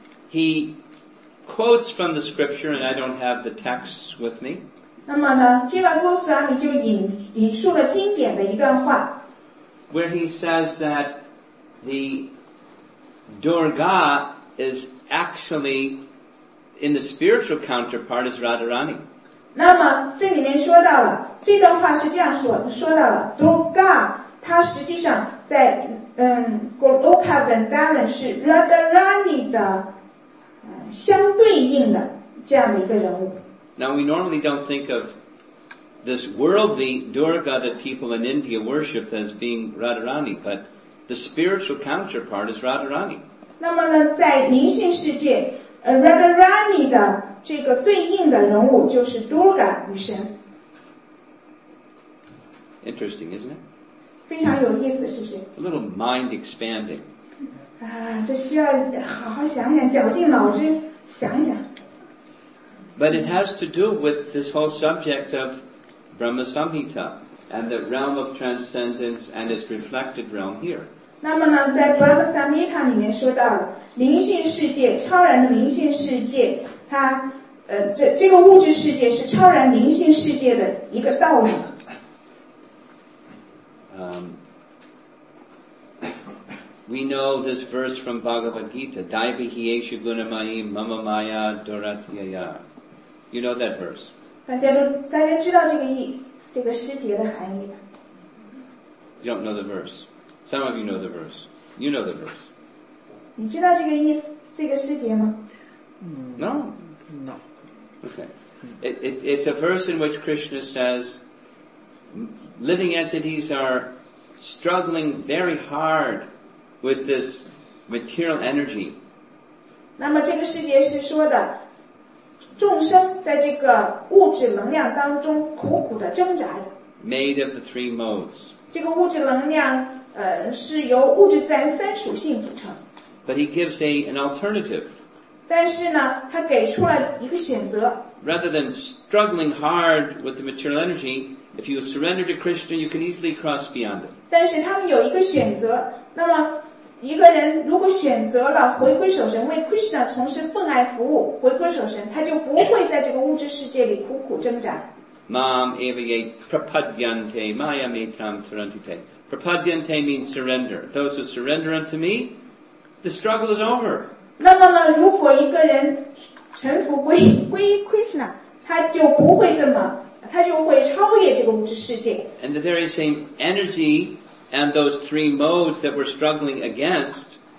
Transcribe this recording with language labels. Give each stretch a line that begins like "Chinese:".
English: He quotes from the scripture, and I don't have the texts with me.
Chinese: 那么呢，基万郭斯拉米就引述了经典的一段话。
English: Where he says that the Durga is actually in the spiritual counterpart is Radharani.
Chinese: 那么这里面说到了这段话是这样说说到了 Durga 它实际上在Goloka Vrindavan 是 Radharani 的相对应的这样的一个人物。
English: Now we normally don't think of this worldly Durga that people in India worship as being Radharani, but the spiritual counterpart is Radharani.
Chinese: 那么呢，在灵性世界，Radharani 的这个对应的人物就是 Durga 女神。
English: Interesting, isn't it?
Chinese: 非常有意思，是不是
English: ？A little mind expanding.
Chinese: 这需要好好想想，绞尽脑汁想一想。
English: But it has to do with this whole subject of Brahma Samhita and the realm of transcendence and its reflected realm here.
Chinese: 那么呢，在 Brahma Samhita 里面说到了灵性世界，超然的灵性世界，它这个物质世界是超然灵性世界的一个道理。
English: We know this verse from Bhagavad Gita:
Sanskrit: "Daivihi eshu gunamayi mama maya duratyaya."
English: You know that verse.
Chinese: 大家知道这个诗节的含义吧。
English: You don't know the verse. Some of you know the verse. You know the verse.
Chinese: 你知道这个意思这个诗节吗？
English: No. No. Okay. It's a verse in which Krishna says, living entities are struggling very hard with this material energy.
Chinese: 那么这个诗节是说的。众生在这个物质能量当中苦苦的挣扎着。
English: Made of the three modes.
Chinese: 这个物质能量，是由物质自然三属性组成。
English: But he gives an alternative.
Chinese: 但是呢，他给出了一个选择。
English: Rather than struggling hard with the material energy, if you surrender to Krishna, you can easily cross beyond it.
Chinese: 但是他们有一个选择，那么。一个人如果选择了回归守神，为 Krishna 从事奉爱服务，回归守神，他就不会在这个物质世界里苦苦挣扎。
Sanskrit: Mam eva ye prapadyante maya metam tarantite.
English: Prapadyante means surrender. Those who surrender unto me, the struggle is over.
Chinese: 那么呢，如果一个人臣服归 Krishna， 他就不会这么，他就会超越这个物质世界。
English: And the very same energy. And those three modes that we're struggling against.